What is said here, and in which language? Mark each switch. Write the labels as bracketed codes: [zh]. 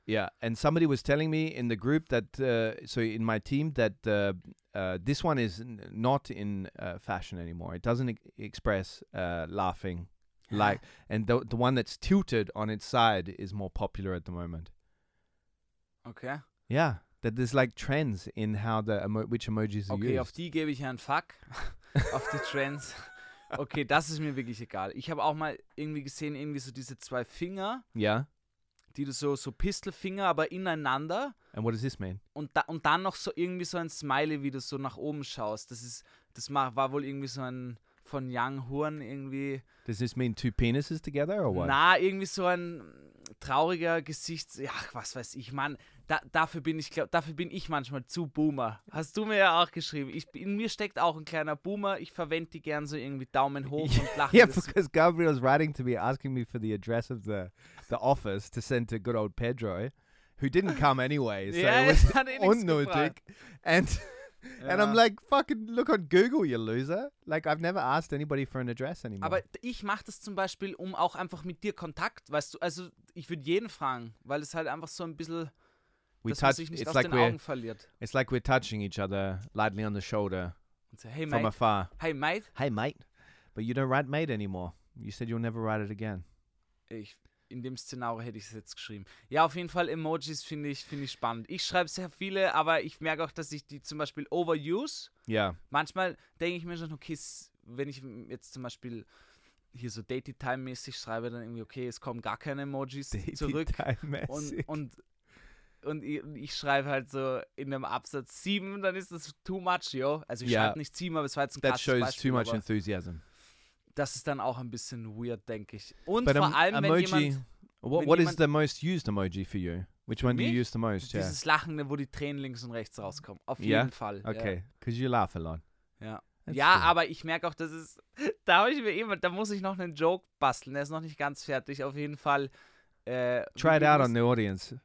[en] Yeah, and somebody was telling me in the group that in my team that this one is not in fashion anymore. It doesn't express laughing. Like, and the one that's tilted on its side is more popular at the moment. Okay. Yeah. That there's like trends in how the which emojis are okay, used. [de] Okay, auf die gebe ich einen Fuck. Auf die Trends. Okay, das ist mir wirklich egal. Ich habe auch mal irgendwie gesehen, irgendwie so diese zwei Finger. [en] Yeah. [de] Die so Pistelfinger, aber ineinander. [en] And what does this mean? [de] Und dann noch so irgendwie so ein Smiley, wie du so nach oben schaust. Das war wohl irgendwie so ein von Young Horn irgendwie. [en] Does this mean two penises together or what? [de] Na, irgendwie so ein trauriger Gesicht. Ach, was weiß ich, Mann. Dafür bin ich manchmal zu Boomer. Hast du mir ja auch geschrieben. In mir steckt auch ein kleiner Boomer. Ich verwende die gern so irgendwie Daumen hoch und lache. [en] Yeah, because Gabriel is writing to me, asking me for the address of the office to send to good old Pedro, who didn't come anyway. So yeah, it was unnötig. And And I'm like, fucking look on Google, you loser. Like, I've never asked anybody for an address anymore. [de] Aber ich mache das zum Beispiel, um auch einfach mit dir Kontakt, weißt du, also ich würde jeden fragen, weil es halt einfach so ein bisschen, dass man sich nicht aus den Augen verliert. [en] It's like we're touching each other lightly on the shoulder and say, hey, from mate. Afar. Hey, mate. Hey, mate. But you don't write mate anymore. You said you'll never write it again. [de] Ich, in dem Szenario hätte ich es jetzt geschrieben. Ja, auf jeden Fall, Emojis finde ich spannend. Ich schreibe sehr viele, aber ich merke auch, dass ich die zum Beispiel overuse. Ja. Manchmal denke ich mir schon, okay, wenn ich jetzt zum Beispiel hier so Date-Time-mäßig schreibe, dann irgendwie, okay, es kommen gar keine Emojis Date-Time-mäßig. Zurück. Und ich schreibe halt so in einem Absatz 7, dann ist das [en] too much, yo. [de] Also ich schreibe nicht 7, aber es war jetzt ein krasses Beispiel. [en] That shows too much enthusiasm. [de] Das ist dann auch ein bisschen weird, denke ich. Und but vor allem, wenn Emoji, jemand... [en] What is the most used emoji for you? Which one do you use the most? [de] Dieses Lachen, wo die Tränen links und rechts rauskommen. Auf jeden Fall. [en] Okay, because you laugh a lot. [de] Ja, aber ich merke auch, dass es... Da habe ich mir eben... Da muss ich noch einen Joke basteln. Der ist noch nicht ganz fertig. Auf jeden Fall... [en] Try it out on the audience.